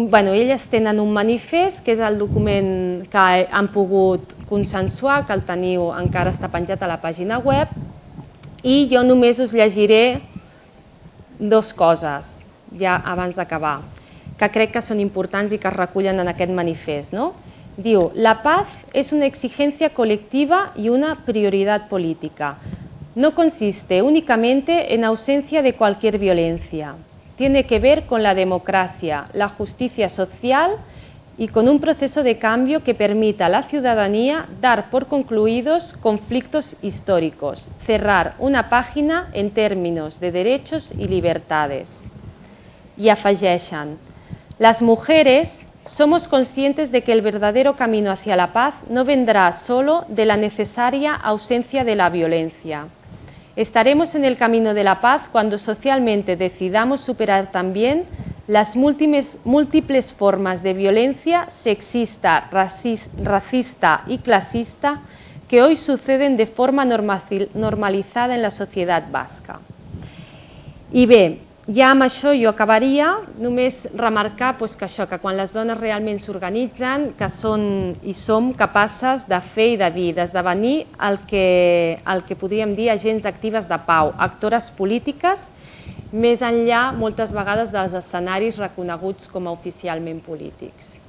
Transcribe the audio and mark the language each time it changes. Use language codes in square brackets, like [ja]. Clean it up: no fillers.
[ca] Elles tenen un manifest, que és el document que han pogut consensuar, que el teniu, encara està penjat a la pàgina web, i jo només us llegiré dues coses, ja abans d'acabar, que crec que són importants i que es recullen en aquest manifest, no? [es] Diu, la paz es una exigencia colectiva y una prioridad política. No consiste únicamente en ausencia de cualquier violencia. Tiene que ver con la democracia, la justicia social y con un proceso de cambio que permita a la ciudadanía dar por concluidos conflictos históricos, cerrar una página en términos de derechos y libertades. Y [ca] afegeixen, [es] las mujeres somos conscientes de que el verdadero camino hacia la paz no vendrá solo de la necesaria ausencia de la violencia. Estaremos en el camino de la paz cuando socialmente decidamos superar también las múltiples formas de violencia sexista, racista y clasista que hoy suceden de forma normalizada en la sociedad vasca. [ca] Y bé, ja amb això jo acabaria, només remarcar pues, que això, que quan les dones realment s'organitzen, que són i som capaces de fer i de dir, d'esdevenir el que podríem dir agents actives de pau, actores polítiques, més enllà moltes vegades dels escenaris reconeguts com a oficialment polítics.